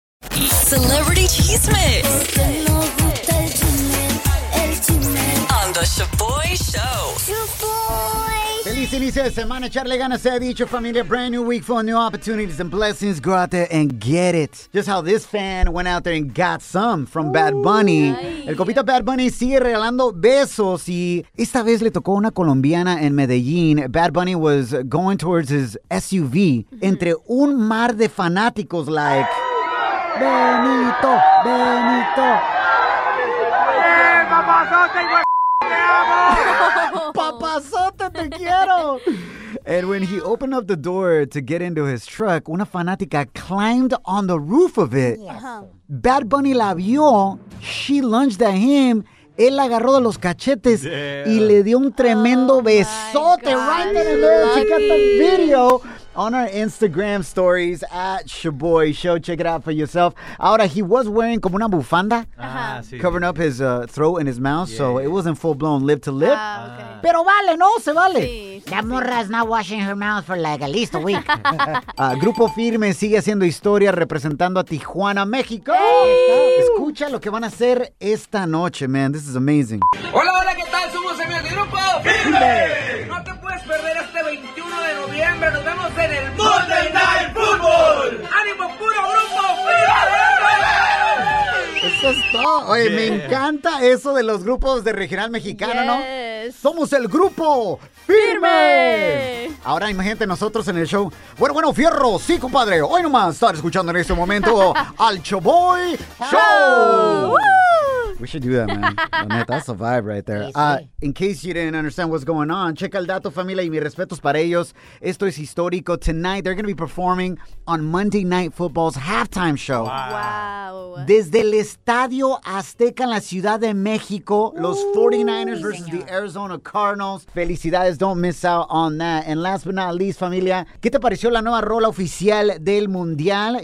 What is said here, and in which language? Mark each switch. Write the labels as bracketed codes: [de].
[en] Celebrity chisme. On the Shaboy Show. Shaboy. [es] Feliz inicio de semana, echarle ganas, se ha dicho, familia. [en] Brand new week full of new opportunities and blessings. Go out there and get it. Just how this fan went out there and got some from Bad Bunny. [es] Ooh, el copita Bad Bunny sigue regalando besos y esta vez le tocó una colombiana en Medellín. [en] Bad Bunny was going towards his SUV [es] entre un mar de fanáticos [en] like... [es] Benito, Benito. Papasote, te quiero. [en] And when he opened up the door to get into his truck, [es] una fanática [en] climbed on the roof of it. Yes. Bad Bunny [es] la vio. [en] She lunged at him. [es] Él la agarró de los cachetes y le dio un tremendo besote. [en] Right there, look. She got the video on our Instagram stories at Shaboy Show. Check it out for yourself. [es] Ahora, [en] he was wearing [es] como una bufanda, [en] covering up his throat and his mouth, so it wasn't full-blown lip to lip. [es] Pero vale, ¿no? Se vale. Sí, la morra [en] is not washing her mouth for like at least a week. [es] Grupo Firme sigue haciendo historia representando a Tijuana, México. Hey. Escucha lo que van a hacer esta noche, man. [en] This is amazing. [es] Hola, hola, ¿qué tal? Somos en el Grupo Firme. No te puedes perder este 21 de noviembre. Nos vemos en el Monday Night Football. ¡Ánimo puro, Grupo Firme! Eso es todo. Oye, me encanta eso de los grupos de regional mexicano, ¿no? Somos el Grupo Firme. Ahora imagínate nosotros en el show. Bueno, bueno, fierro, sí, compadre. Hoy nomás estar escuchando en este momento al Choboy Show. [en] We should do that, man. That's a vibe right there. In case you didn't understand what's going on, [es] checa el dato, familia, y mis respetos para ellos. Esto es histórico. [en] Tonight, they're going to be performing on Monday Night Football's halftime show. Wow. [es] Desde el Estadio Azteca en la Ciudad de México, los 49ers versus the Arizona Cardinals. Felicidades. [en] Don't miss out on that. And last but not least, [es] familia, ¿qué te pareció la nueva rola oficial del Mundial?